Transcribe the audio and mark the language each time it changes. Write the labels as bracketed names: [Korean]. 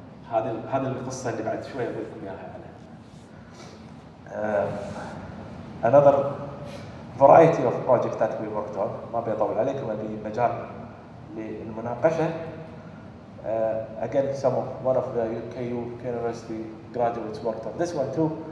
[Arabic] هذه القصة اللي بعد شوية بقولكم ياها عليها. [English] Another variety of project that we worked on. [Arabic] ما بيطول عليكم أبي مجال للمناقشة. [English] Again, one of the UKU University graduates worked on this one too.